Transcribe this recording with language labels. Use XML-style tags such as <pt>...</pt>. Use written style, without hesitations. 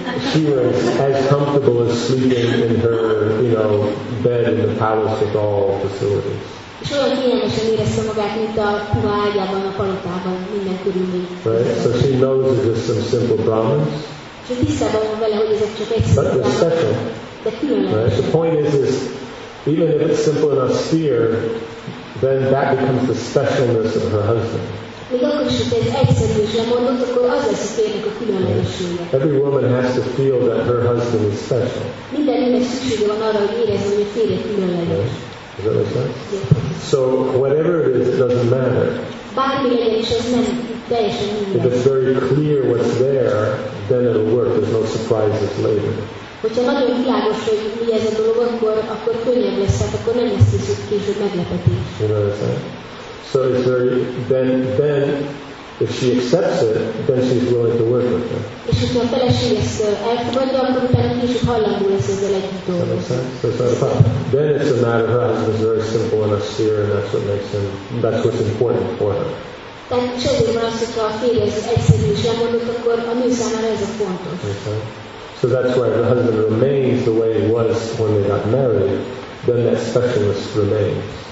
<en>She was as comfortable as sleeping in her, you know, bed in the palace with all facilities.</en> <hu>És olyan kényelmesen érezte magát, mint a puha ágyában, a palotában, minden körülmény.</hu> <en>Right, so she knows it's just some simple Brahmins.</en> <hu>Tisztában van vele, hogy ezek csak egy szintén.</hu> <en>But they're special.</en> <hu>De különleges.</hu> <en>Right, the point is even if it's simple in our sphere, then that becomes the specialness of her husband. Every woman has to feel that her husband is special. Does that make sense? Yes. So whatever it is, it doesn't matter. If it's very clear what's there, then it'll work. There's no surprises later.</en> <hu>Hogyha nagyon világos, hogy mi ez a dolog, akkor könnyebb lesz, akkor nem lesz kicsit később meglepetés.</hu> <en>You know what I'm saying? So it's very, then if she accepts it, then she's willing to work with her.</en> <hu>És hogyha a feleség ezt elfogadja, akkor utána később hajlandó lesz ezzel együtt dolgozni.</hu> <en>So it's not a problem. Then it's a matter of her husband's very simple and austere, and that's what makes him, that's what's important for her.</en> <hu>Tehát semmi van az, hogyha a férje ez egyszerű is lemondott, akkor a nő számára ez a fontos.</hu> <en>Okay. So that's why the husband remains the way he was when they got married, then that specialness remains.</en>